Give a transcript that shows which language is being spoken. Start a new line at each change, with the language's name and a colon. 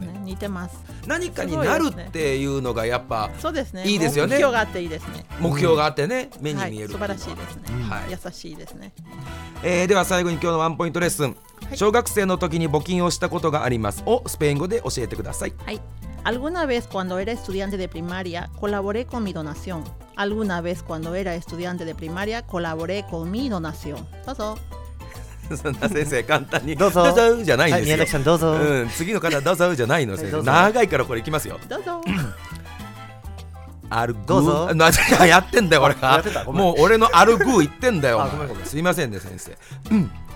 Japanese: そうですね、似てます。何かになるっていうのがやっぱそうですね、いいですよね、目標があっていいですね、目標があってね、目に見える、はい、素晴らしいですね、はい、優しいですね、では最後に今日のワンポイントレッスン、はい、小学生の時に募金をしたことがありますをスペイン語で教えてください。
Spanish: はい、alguna vez cuando era estudiante de primaria colaboré con mi donación. alguna vez cuando era estudiante de primaria colaboré con mi donación.
Japanese: どうぞ。そんな先生簡単にどうぞどうぞじゃないんですよ。はい、宮崎さんどうぞ。うん、次の方どうぞじゃないの先生。はい、長いからこれいきますよ。どうぞ。アルグー、どうぞ。なぜかやってんだよ俺が。やってた。もう俺のアルグー言ってんだよ。あ、ごめんごめん。すいませんね先生。うん。